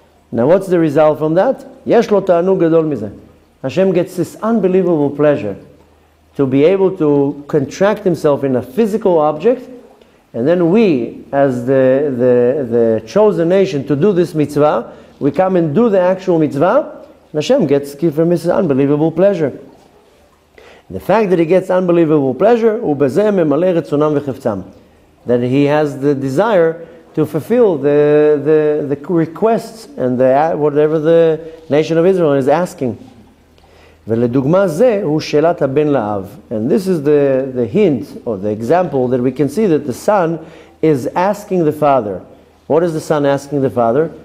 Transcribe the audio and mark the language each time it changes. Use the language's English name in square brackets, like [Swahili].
[English] Now what's the result from that? [Hebrew] יש לו תענוג גדול מזה. [English] Hashem gets this unbelievable pleasure to be able to contract himself in a physical object, and then we, as the chosen nation to do this mitzvah, we come and do the actual mitzvah, Hashem gives him this unbelievable pleasure. The fact that he gets unbelievable pleasure, [Hebrew] ובזה ממלא רצונם וחפצם. [English] That he has the desire to fulfill the requests and the whatever the nation of Israel is asking. [Hebrew] ולדוגמה זה הוא שאלת הבן לאב. [English] And this is the hint or the example that we can see that the son is asking the father. What is the son asking the father?